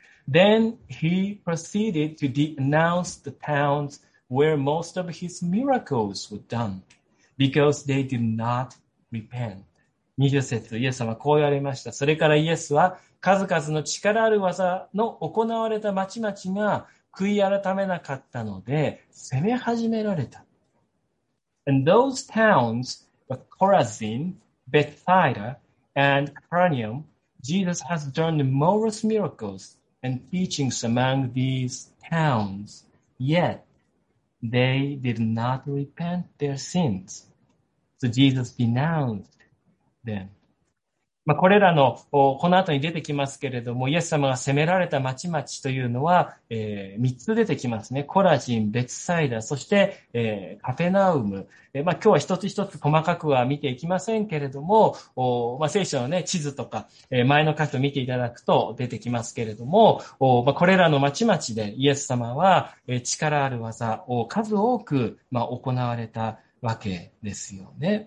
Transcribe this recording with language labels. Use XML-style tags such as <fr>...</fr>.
<en>Then he proceeded to denounce the towns where most of his miracles were done because they did not repent.</en> <ja>20節、イエス様はこう言われました。それからイエスは数々の力ある技の行われた町々が悔い改めなかったので攻め始められた。</ja> <en>And those towns were Chorazin, Bethsaida, and Capernaum. Jesus has done numerous miracles and teachings among these towns, yet they did not repent their sins. So Jesus denounced them.</en> <ja>まあ、これらのこの後に出てきますけれども、イエス様が責められた町々というのは、3つ出てきますね。コラジン、ベツサイダ、そして、カペナウム。まあ、今日は一つ一つ細かくは見ていきませんけれども、まあ、聖書の、ね、地図とか、前の箇所を見ていただくと出てきますけれども、これらの町々でイエス様は、力ある技を数多く、まあ、行われたわけですよね。</ja>